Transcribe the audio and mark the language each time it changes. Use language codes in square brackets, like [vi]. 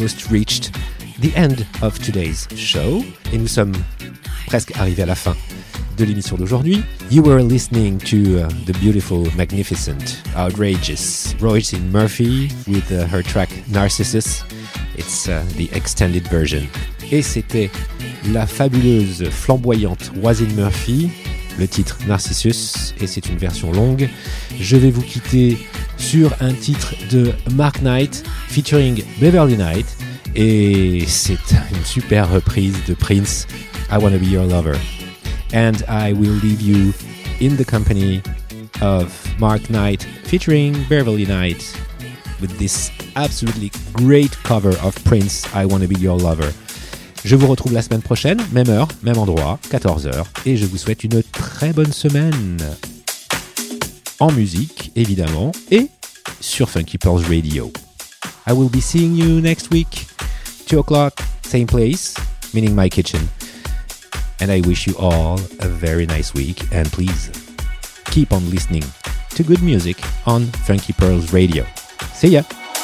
[en] reached the end of today's show. [fr] Et nous sommes presque arrivés à la fin de l'émission d'aujourd'hui. [en] You were listening to the beautiful, magnificent, outrageous Roisin Murphy with her track Narcissus. It's the extended version. [fr] Et c'était la fabuleuse, flamboyante Roisin Murphy, le titre Narcissus, et c'est une version longue. Je vais vous quitter sur un titre de Mark Knight featuring Beverly Knight. Et c'est une super reprise de Prince, I Wanna Be Your Lover. [en] And I will leave you in the company of Mark Knight featuring Beverly Knight with this absolutely great cover of Prince, I Wanna Be Your Lover. [fr] Je vous retrouve la semaine prochaine, même heure, même endroit, 14h, et je vous souhaite une très bonne semaine en musique, évidemment, et sur Funky Pearls Radio. [en] I will be seeing you next week. 2 o'clock, same place, meaning my kitchen. And I wish you all a very nice week. And please keep on listening to good music on Funky Pearls Radio. See ya!